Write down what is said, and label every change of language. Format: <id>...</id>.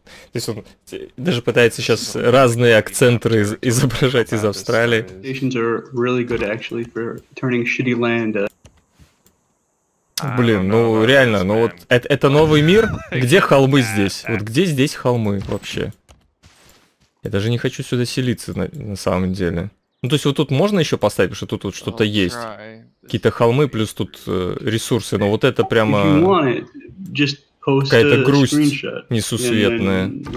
<ru>Здесь он даже пытается сейчас разные акценты изображать из Австралии.</ru> <en>Stations are really good, actually, for turning shitty land.</en> <ru>Блин, ну реально, ну вот это новый мир? Где холмы здесь? Вот где здесь холмы вообще? Я даже не хочу сюда селиться на самом деле. Ну то есть вот тут можно еще поставить, потому что тут вот что-то есть. Какие-то холмы плюс тут ресурсы, но вот это прямо какая-то грусть несусветная.</ru>